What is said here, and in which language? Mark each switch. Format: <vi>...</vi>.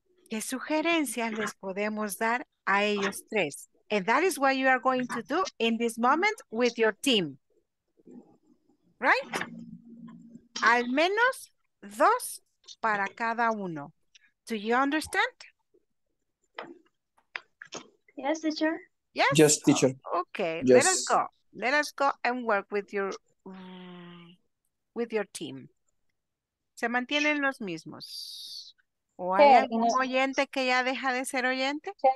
<es>¿Qué sugerencias les podemos dar a ellos tres?</es> <en>And that is what you are going to do in this moment with your team. Right?</en> <es>Al menos dos para cada uno.</es> <en>Do you understand? Yes, teacher. Yes? Yes, teacher. Okay, yes. Let us go. Let us go and work with your team.</en> <es>¿Se mantienen los mismos? ¿O hay algún oyente que ya deja de ser oyente?</es>